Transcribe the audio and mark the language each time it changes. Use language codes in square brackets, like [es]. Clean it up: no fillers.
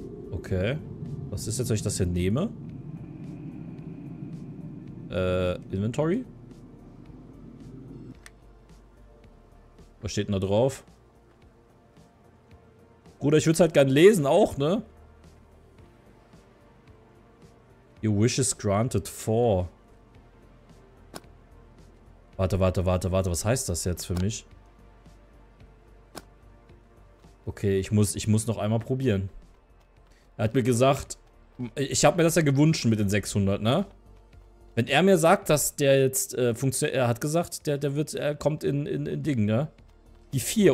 [de] Okay. Was ist jetzt, wenn ich das hier nehme? [en] Inventory? [de] Was steht denn da drauf? Bruder, ich würde es halt gern lesen auch, ne? [en] Your wish is granted for. [de] Warte. Was heißt das jetzt für mich? Okay, ich muss noch einmal probieren. Er hat mir gesagt, ich habe mir das ja gewünscht mit den 600, ne? Wenn er mir sagt, dass der jetzt funktioniert, er hat gesagt, er kommt in Ding, ne? Die 4.